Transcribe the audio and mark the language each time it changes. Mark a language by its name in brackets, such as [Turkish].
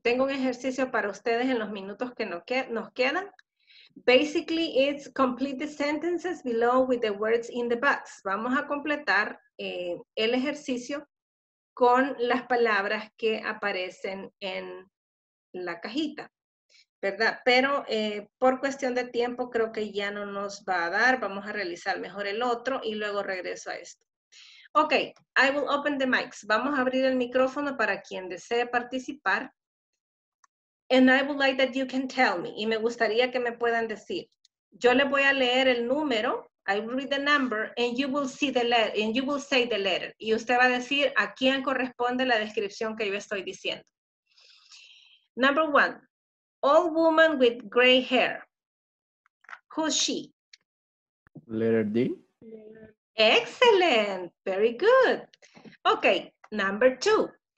[Spanish] Tengo un ejercicio para ustedes en los minutos que nos quedan. [English] Basically, it's complete the sentences below with the words in the box. [Spanish] Vamos a completar el ejercicio con las palabras que aparecen en la cajita, ¿verdad? Pero por cuestión de tiempo, creo que ya no nos va a dar. Vamos a realizar mejor el otro y luego regreso a esto. [English] Okay, I will open the mics. [Spanish] Vamos a abrir el micrófono para quien desee participar. [English] And I would like that you can tell me. [Spanish] Y me gustaría que me puedan decir. Yo le voy a leer el número. [English] I will read the number and you will see the letter and you will say the letter. [Spanish] Y usted va a decir a quién corresponde la descripción que yo estoy diciendo. [English] Number one, old woman with gray hair. Who's she? Letter D. Excellent, very good. Okay, number two.